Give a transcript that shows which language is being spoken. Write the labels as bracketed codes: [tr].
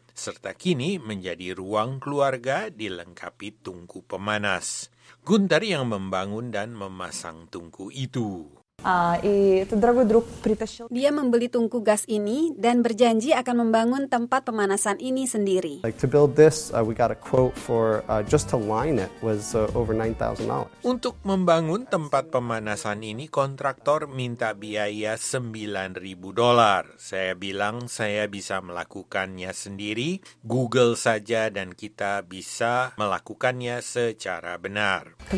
[id] Serta kini menjadi ruang keluarga dilengkapi tungku pemanas. Gunter yang membangun dan memasang tungku itu. Dia membeli tungku gas ini dan berjanji akan membangun tempat pemanasan ini sendiri. [en] Like to build this, we got a quote for just to line it was over $9,000. [id] Untuk membangun tempat pemanasan ini, kontraktor minta biaya $9,000. Saya bilang saya bisa melakukannya sendiri, Google saja dan kita bisa melakukannya secara benar.